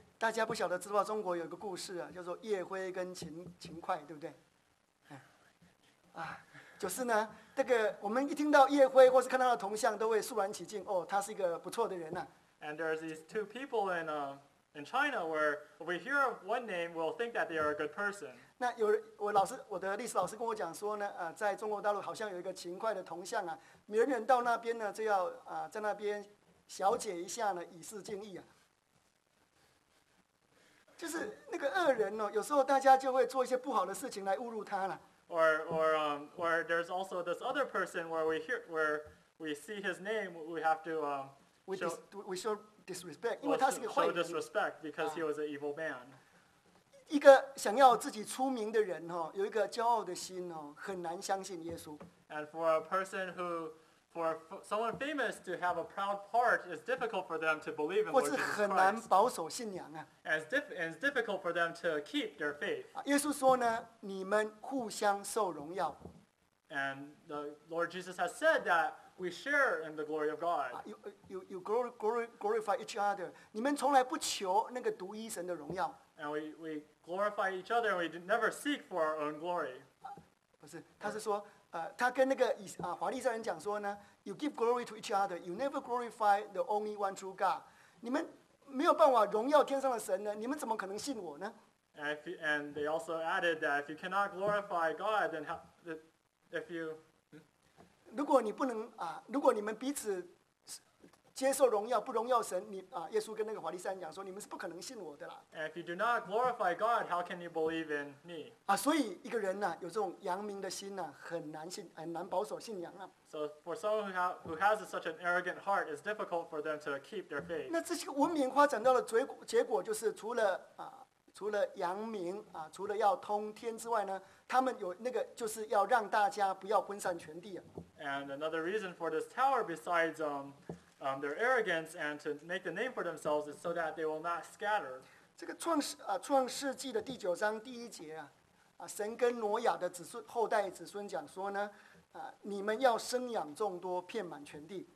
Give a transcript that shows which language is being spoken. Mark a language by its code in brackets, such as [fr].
[zh] 大家不晓得知道中国有一个故事啊，叫做叶辉跟秦桧，对不对？就是呢，这个我们一听到叶辉或是看到的铜像，都会肃然起敬。哦，他是一个不错的人呐、啊。 [en] And there are these two people in China where if we hear one name, we'll think that they are a good person. [zh] 那有我的历史老师跟我讲说呢，在中国大陆好像有一个秦桧的铜像啊，人人到那边呢就要在那边小解一下呢，以示敬意啊。就是那个恶人哦，有时候大家就会做一些不好的事情来侮辱他了。 [en] Or there's also this other person where we see his name, we have to show disrespect because he was an evil man. [zh] 一个想要自己出名的人哦，有一个骄傲的心哦，很难相信耶稣。 [en] And for a person who, for someone famous to have a proud heart, it's difficult for them to believe in Lord Jesus Christ. [zh] 或是很难保守信仰啊。 [en] And it's difficult for them to keep their faith. [zh] 耶稣说呢，你们互相受荣耀。 [en] And the Lord where Jesus has said that we share in the glory of God. You glorify each other. [zh] 你们从来不求那个独一神的荣耀。 [en] And we glorify each other, and we never seek for our own glory. [zh] 不是，他是说，他跟那个法利赛人讲说呢 [en] ，You give glory to each other, you never glorify the only one true God. [zh] 你们没有办法荣耀天上的神呢，你们怎么可能信我呢？ [en] And they also added that if you cannot glorify God, then if you [zh] 如果你不能如果你们彼此接受荣耀不荣耀神，你耶稣跟那个法利赛人讲说，你们是不可能信我的啦。 [en] And if you do not glorify God, how can you believe in me? [zh] 所以一个人有这种扬名的心很难保守信仰。 [en] So for someone who has such an arrogant heart, it's difficult for them to keep their faith. [zh] 那这些文明发展到的结果就是除了扬名除了要通天之外呢，他们有那个就是要让大家不要分散全地啊。 [en] And another reason for this tower besides their arrogance and to make the name for themselves is so that they will not scatter. [zh] 这个创世纪的第九章第一节神跟挪亚的后代子孙讲说呢，你们要生养众多，遍满全地。